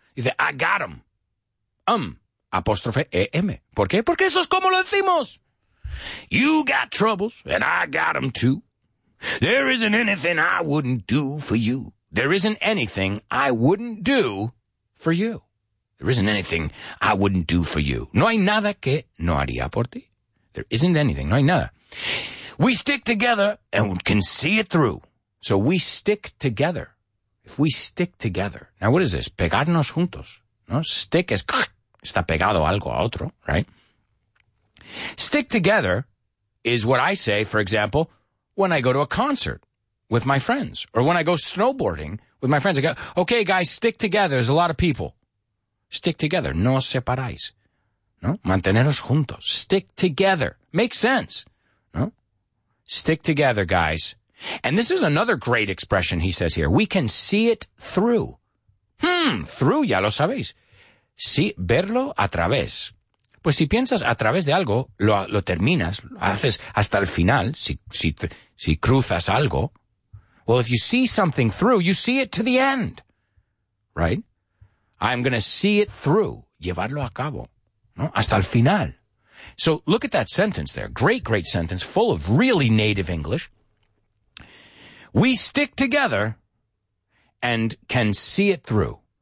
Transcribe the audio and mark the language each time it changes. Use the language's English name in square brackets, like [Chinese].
[English] You think I got them. Apostrofe E-M. [Spanish] ¿Por qué? Porque eso es como lo decimos. [English] You got troubles, and I got them too. There isn't anything I wouldn't do for you. There isn't anything I wouldn't do for you. There isn't anything I wouldn't do for you. [Spanish] No hay nada que no haría por ti. [English] There isn't anything. [Spanish] No hay nada. [English] We stick together and can see it through. So we stick together. If we stick together. Now, what is this? [Spanish] Pegarnos juntos. No, stick es, está pegado algo a otro, [English] right? Stick together is what I say, for example, when I go to a concert with my friends or when I go snowboarding with my friends. I go, okay, guys, stick together. There's a lot of people. Stick together. [Spanish] No os separáis. No, manteneros juntos. [English] Stick together. Makes sense. No, stick together, guys. And this is another great expression he says here. We can see it through. [Spanish] Through, ya lo sabéis. Sí, verlo a través. Pues si piensas a través de algo, lo terminas, lo haces hasta el final, si cruzas algo. [English] Well, if you see something through, you see it to the end. Right? I'm going to see it through. [Spanish] Llevarlo a cabo. ¿No? Hasta el final. [English] So look at that sentence there. Great, great sentence, full of really native English. We stick together and can see it through.